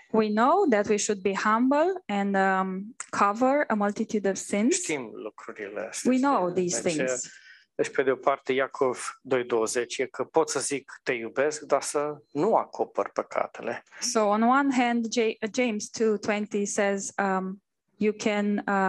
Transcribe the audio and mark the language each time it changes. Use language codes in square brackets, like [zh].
[en] We know that we should be humble and cover a multitude of sins. [ro] Știm lucrurile astea. [en] We know these things. [ro] Deci, pe de o parte, Iacov 2:20 e că pot să zic te iubesc, dar să nu acopăr păcatele. [en] So on one hand, James 2:20 says you can